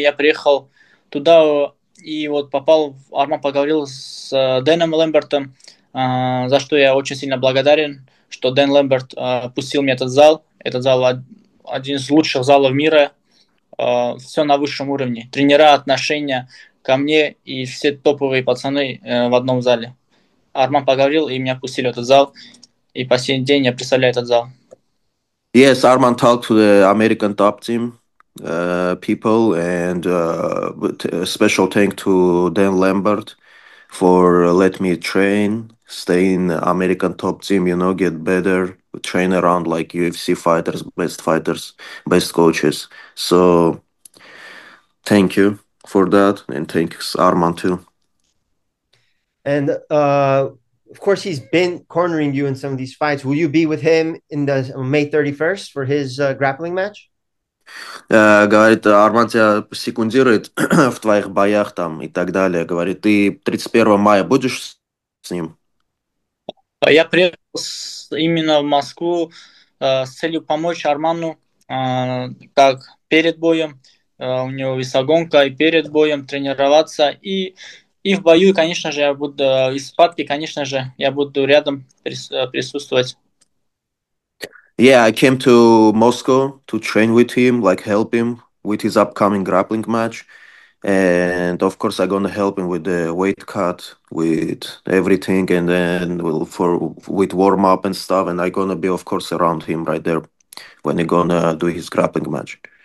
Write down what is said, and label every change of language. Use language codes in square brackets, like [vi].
[ru] Я приехал туда и вот попал. Арман поговорил с Дэном Лэмбертом, за что я очень сильно благодарен, что Дэн Лэмберт пустил мне этот зал. Этот зал один из лучших залов мира. Все на высшем уровне. Тренера, отношения ко мне и все топовые пацаны в одном зале. Арман поговорил, и меня пустили в этот зал. И по сей день я представляю этот зал. [en] Yes, Arman talked to the American Top Team people, and special thank to Dan Lambert for let me train, stay in American Top Team, you know, get better, train around like UFC fighters, best coaches. So thank you for that, and thanks Arman too. And of course, he's been cornering you in some of these fights. Will you be with him in the May 31st for his grappling match? [ru] Говорит, Арман тебя секундирует в твоих боях там и так далее. Говорит, ты 31 мая будешь с ним? Я приехал именно в Москву с целью помочь Арману, как перед боем, у него весогонка, и перед боем тренироваться, и в бою, конечно же, я буду из спадки, конечно же, я буду рядом присутствовать. [en] Yeah, I came to Moscow to train with him, like help him with his upcoming grappling match, and of course I'm gonna help him with the weight cut, with everything, and then with warm up and stuff, and I'm gonna be of course around him right there when he's gonna do his grappling match.